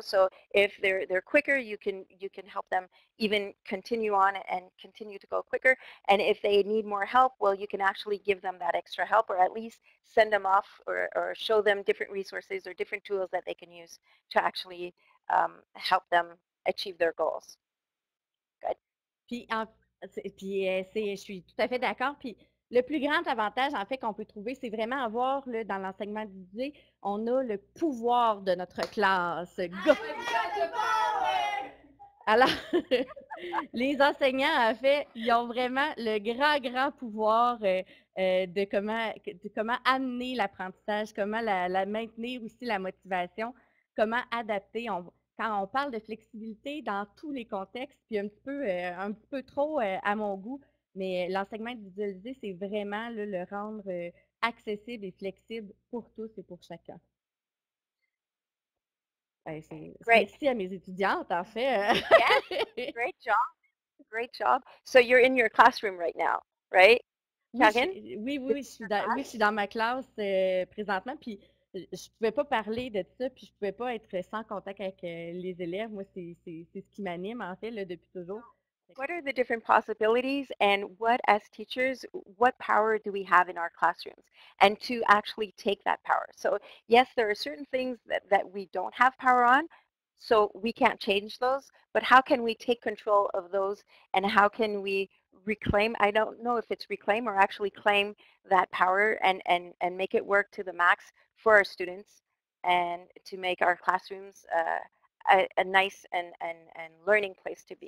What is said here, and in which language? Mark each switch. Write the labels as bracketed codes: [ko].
[en] So if they're quicker, you can help them even continue on and continue to go quicker. And if they need more help, well, you can actually give them that extra help, or at least send them off or show them different resources or different tools that they can use to actually help them achieve their goals. Good. [fr] Je suis tout à fait d'accord. Puis le plus grand avantage, en fait, qu'on peut trouver, c'est vraiment avoir, là, dans l'enseignement individualisé, on a le pouvoir de notre classe. Go! Alors, les enseignants, en fait, ils ont vraiment le grand pouvoir de comment amener l'apprentissage, comment la maintenir aussi la motivation, comment adapter. Quand on parle de flexibilité dans tous les contextes, puis un petit peu trop à mon goût, mais l'enseignement individualisé, c'est vraiment là, le rendre accessible et flexible pour tous et pour chacun. Ouais, c'est merci à mes étudiantes, en fait. [en] Yes. Great job. Great job. So you're in your classroom right now, right, Karine? [fr] Oui, je suis dans ma classe présentement. Puis je ne pouvais pas parler de ça, puis je ne pouvais pas être sans contact avec les élèves. Moi, c'est ce qui m'anime, en fait, là, depuis toujours. [en] What are the different possibilities, and what, as teachers, what power do we have in our classrooms, and to actually take that power? So yes, there are certain things that we don't have power on, so we can't change those, but how can we take control of those, and how can we reclaim, I don't know if it's reclaim or actually claim that power and make it work to the max for our students and to make our classrooms a nice and learning place to be.